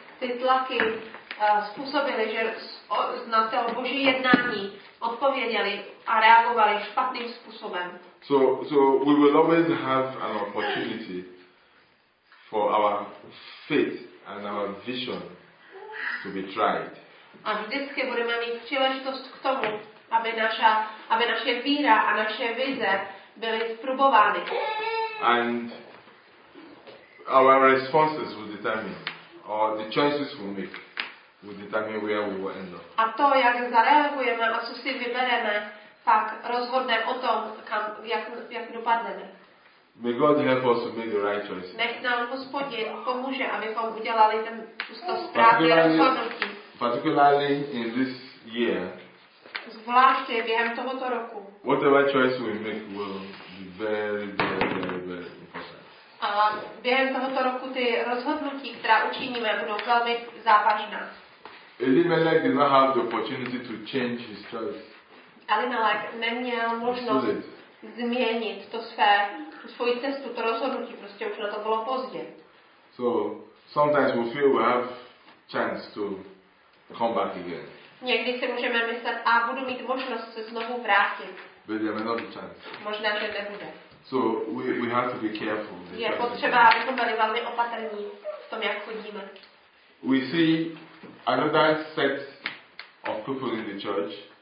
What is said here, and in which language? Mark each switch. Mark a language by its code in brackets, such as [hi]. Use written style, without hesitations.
[cs] Ty tlaky způsobily, že na to Boží jednání odpověděli a reagovali špatným způsobem. [en] So we will always have an opportunity for our faith and our vision to be tried. [cs] A vždycky budeme mít příležitost k tomu, aby naše víra a naše vize byly zprobovány. [en] And our responses will determine, or the choices we make will determine where we will end up. [cs] A to, jak zareagujeme a co si vybereme, tak rozhodne o tom, jak dopadneme. [en] May God help us to make the right choices. [cs] Nech nám Hospodin pomůže, abychom udělali ten to správné rozhodnutí. [en] Particularly in this year. [cs] Zvláště během tohoto roku. [en] Whatever choice we make will be very, very, very, very important. [cs] A během tohoto roku ty rozhodnutí, která učiníme, budou velmi závažná. [en] Elimelech did not have the opportunity to change his choice. [cs] Elimelech neměl možnost změnit to své svoji cestu, to rozhodnutí, prostě už na to bylo pozdě. [en] So sometimes we feel we have chance to come back again. [cs] Někdy si můžeme myslet, a budu mít možnost se znovu vrátit. [en] But there may not be chance. [cs] Možná, že nebude. [en] So we have to be careful. [cs] Je potřeba, abychom byli velmi opatrní v tom, jak chodíme. [en] We see another set of people in the church.